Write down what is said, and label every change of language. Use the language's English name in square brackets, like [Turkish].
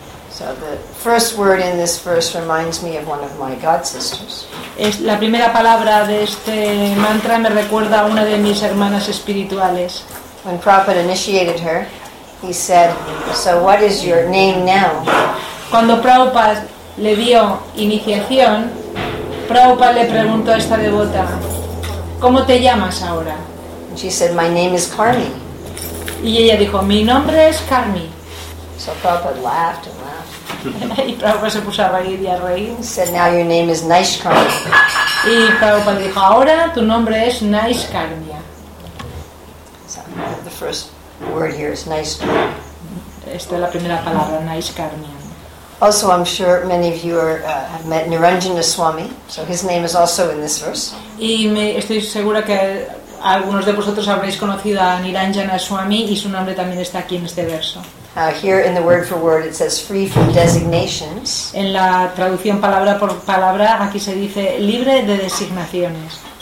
[English] So the first word in this verse reminds me of one of my god sisters. [Spanish] Es la primera palabra de este mantra me recuerda a una de mis hermanas espirituales. [English] When Prabhupada initiated her, he said, "So what is your name now?" [Spanish] Cuando Prabhupada le dio iniciación, Prabhupada le preguntó a esta devota, ¿cómo te llamas ahora? [English] She said, my name is Carmi. [Spanish] Y ella dijo, mi nombre es Carmi. [English] So Prabhupada laughed and laughed. [Spanish] Y Prabhupada se puso a reír y a reír. [English] He said, now your name is Naishkarmi. [Spanish] Y Prabhupada dijo, ahora tu nombre es Naishkarmi. [English] So the first word here is Naishkarmi. [Spanish] Esta es la primera palabra, Naishkarmi. [English] Also, I'm sure many of you have met Niranjana Swami, so his name is also in this verse. [Spanish] Y estoy segura que algunos de vosotros habréis conocido a Niranjana Swami y su nombre también está aquí en este verso. [English] Here in the word for word it says free from designations. [Spanish] En la traducción palabra por palabra aquí se dice libre de designaciones.